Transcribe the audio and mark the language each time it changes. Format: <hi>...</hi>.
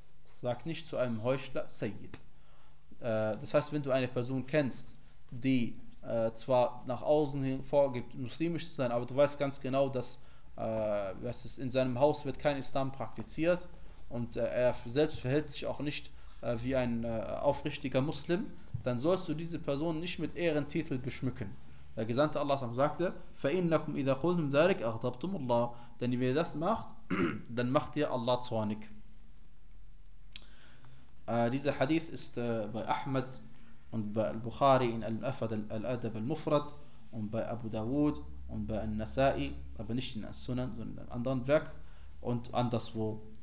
<de>Sag nicht zu einem Heuchler Sayyid. Das heißt, wenn du eine Person kennst, die zwar nach außen hin vorgibt, muslimisch zu sein, aber du weißt ganz genau, dass in seinem Haus wird kein Islam praktiziert und er selbst verhält sich auch nicht wie ein aufrichtiger Muslim, dann sollst du diese Person nicht mit Ehrentitel beschmücken. Der Gesandte Allah sagte,</de> <ar>فَإِنَّكُمْ إِذَا قُلْتُمْ ذَلِكْ أَغْضَبْتُمُ اللَّهِ.</ar> <de>Denn wenn ihr das macht, dann macht ihr Allah zornig. Dieser Hadith ist bei Ahmad und bei Al-Bukhari in Al-Afad Al-Adab Al-Mufrad und bei Abu Dawud und bei Al-Nasai, aber nicht in Al-Sunan, sondern in einem anderen Werk und anderswo.</de>